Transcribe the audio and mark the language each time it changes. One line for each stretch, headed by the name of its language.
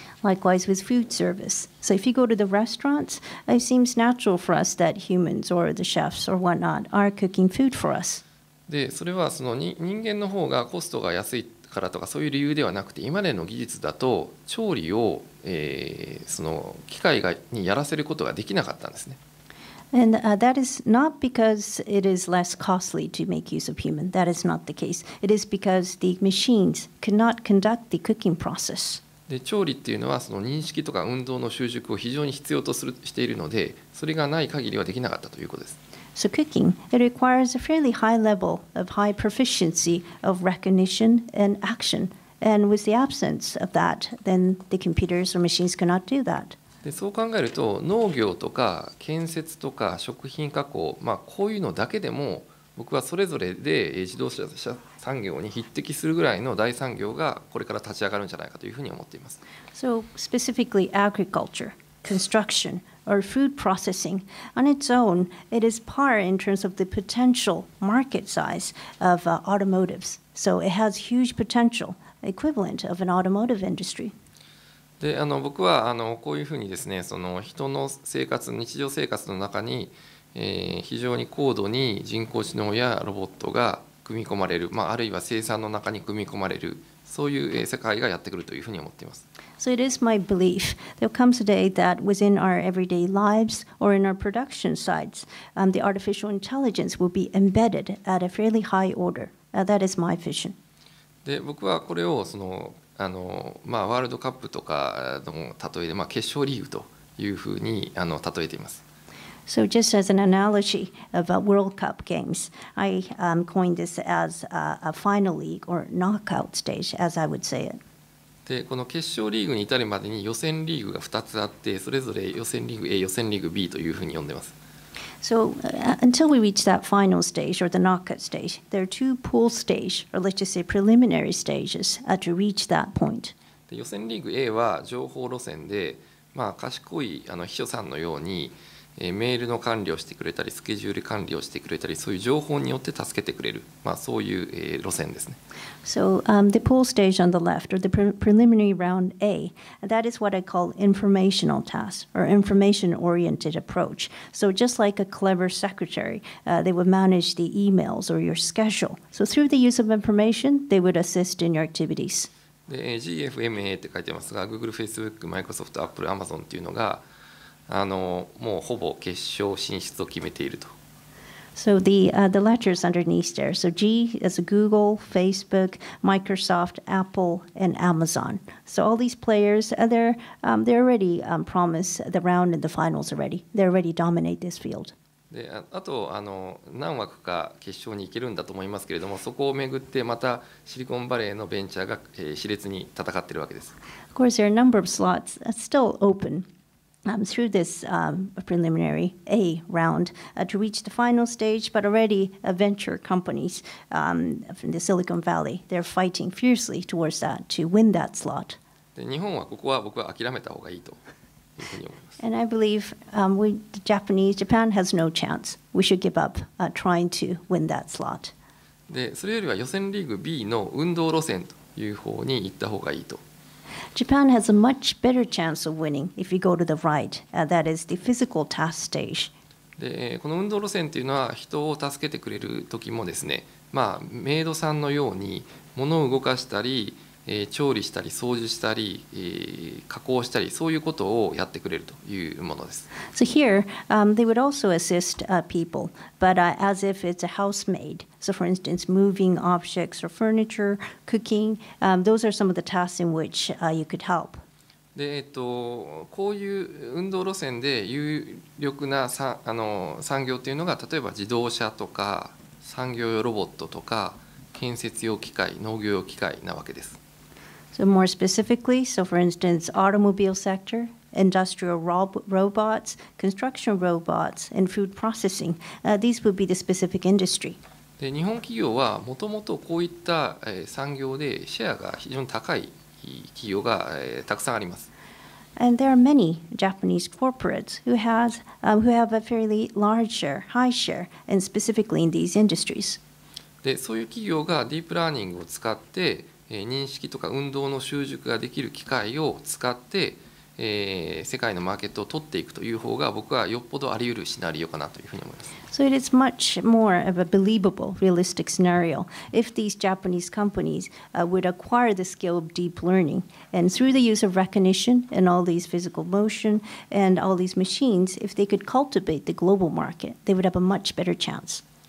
English: Likewise with food service. So if you go to the restaurants, it seems natural for us that humans or the chefs or whatnot are cooking food for us.
Japanese: で、それはその人間の方がコストが安いからとかそういう理由ではなくて、今までの技術だと調理を、その機械にやらせることができなかったんですね。
English: And that is not because it is less costly to make use of human. That is not the case. It is because the machines cannot conduct the cooking process.
Japanese: で、調理っていうのはその認識とか運動の習熟を非常に必要とするしているので、それがない限りはできなかったということです。
English: So cooking, it requires a fairly high level of high proficiency of recognition and action. And with the absence of that, then the computers or machines cannot do that.
Japanese: でそう考えると農業とか建設とか食品加工、こういうのだけでも僕はそれぞれで自動車産業に匹敵するぐらいの大産業がこれから立ち上がるんじゃないかというふうに思っています。
English: So specifically agriculture, construction or food processing on its own, it is par in terms of the potential market size of automotives. So it has huge potential equivalent of an automotive industry.
Japanese: で僕はこういうふうにですね、その人の生活、日常生活の中に、非常に高度に人工知能やロボットが組み込まれる、あるいは生産の中に組み込まれる、そういう世界がやってくるというふうに思っています。
English: So it is my belief there comes a day that within our everyday lives or in our production sites, the artificial intelligence will be embedded at a fairly high order. That is my vision.
Japanese: で僕はこれをそのワールドカップとかの例えで、決勝リーグというふうに例えています。
English: So just as an analogy of World Cup games, I coined this as a final league or knockout stage, as I would say it.
Japanese: で、この決勝リーグに至るまでに予選リーグが2つあって、それぞれ予選リーグ A、予選リーグ B というふうに呼んでます。
English: So until we reach that final stage or the knockout stage, there are two pool stages, or let's just say preliminary stages, to reach that point.
Japanese: で、予選リーグ A は情報路線で、賢い秘書さんのように、メールの管理をしてくれたり、スケジュール管理をしてくれたり、そういう情報によって助けてくれる、そういう、路線ですね。
English: So the pool stage on the left, or the preliminary round A, that is what I call informational tasks, or information-oriented approach. So just like a clever secretary, they would manage the emails or your schedule. So through the use of information, they would assist in your activities.
Japanese: で、GFMA って書いてますが、Google、Facebook、Microsoft、Apple、Amazon っていうのが、もうほぼ決勝進出を決めていると。
English: So the latter is underneath there. So G is Google, Facebook, Microsoft, Apple, and Amazon. So all these players, they're already promised the round and the finals already. They already dominate this field.
Japanese: で、あと何枠か決勝に行けるんだと思いますけれども、そこをめぐってまたシリコンバレーのベンチャーが、熾烈に戦っているわけです。
English: Of course, there are a number of slots still open. Through this preliminary A round to reach the final stage, but already venture companies from the Silicon Valley, they're fighting fiercely towards that to win that slot. And I believe Japan has no chance. We should give up trying to win that slot.
Japanese: で、それよりは予選リーグ B の運動路線という方に行った方がいいと。
English: Japan has a much better chance of winning if you go to the right. That is the physical task stage.
Japanese: で、この運動路線というのは人を助けてくれる時もですね、まあメイドさんのように物を動かしたり、調理したり掃除したり、加工したりそういうことをやってくれるというものです。
English: So here, they would also assist people, but as if it's a housemaid. So for instance, moving objects or furniture, cooking, those are some of the tasks in which you could help.
Japanese: で、こういう運動路線で有力な産業というのが例えば自動車とか産業用ロボットとか建設用機械、農業用機械なわけです。
English: So more specifically, so for instance, automobile sector, industrial robots, construction robots, and food processing, these would be the specific industry.
Japanese: で、日本企業はもともとこういった産業でシェアが非常に高い企業がたくさんあります。
English: And there are many Japanese corporates who have a fairly large share, high share, and specifically in these industries.
Japanese: で、そういう企業がディープラーニングを使って認識とか運動の習熟ができる機会を使って、世界のマーケットを取っていくという方が僕はよっぽどあり得るシナリオかなというふうに思います。
English: So it is much more of a believable, realistic scenario if these Japanese companies would acquire the skill of deep learning and through the use of recognition and all these physical motion and all these machines, if they could cultivate the global market, they would have a much better chance.